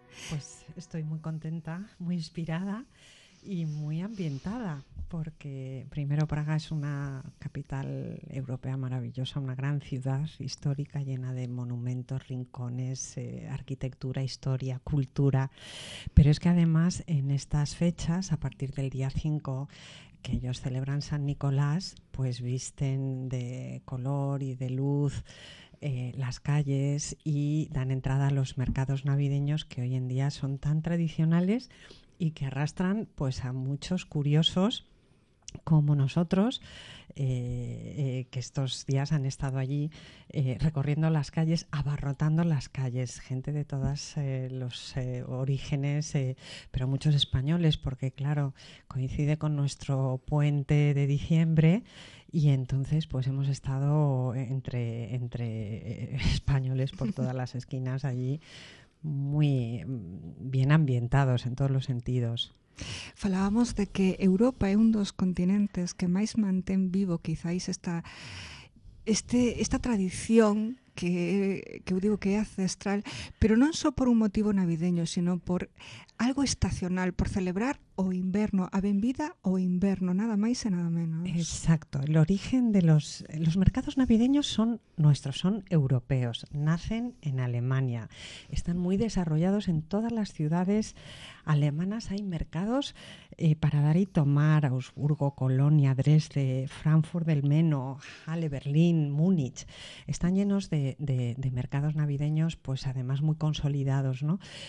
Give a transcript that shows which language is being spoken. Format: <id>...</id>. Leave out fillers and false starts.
<gl>Pues estoy moi contenta, moi inspirada e moi ambientada, porque primero Praga é unha capital europea maravillosa, unha gran</gl> <es>ciudad histórica llena de monumentos, rincones, arquitectura, historia, cultura. Pero es que además en estas fechas, a partir del día 5, que ellos celebran San Nicolás, pues visten de color y de luz las calles y dan entrada a los mercados navideños que hoy en día son tan tradicionales y que arrastran pues a muchos curiosos como nosotros, que estos días han estado allí recorriendo las calles, abarrotando las calles, gente de todos los orígenes, pero muchos españoles, porque claro, coincide con nuestro puente de diciembre y entonces pues hemos estado entre españoles por todas las esquinas allí, muy bien ambientados en todos los sentidos.</es> <gl>Falábamos de que Europa é un dos continentes que máis mantén vivo quizáis esta tradición que eu digo que é ancestral, pero non só por un motivo navideño, sino por algo estacional, por celebrar o inverno, a benvida o inverno, nada máis e nada menos.</gl> <es>Exacto, el origen de los mercados navideños son nuestros, son europeos, nacen en Alemania, están muy desarrollados en todas las ciudades alemanas, hay mercados para dar y tomar, Augsburgo, Colonia, Dresde, Frankfurt del Meno, Halle, Berlín, Múnich, están llenos de mercados navideños, pues además muy consolidados, ¿no?</es>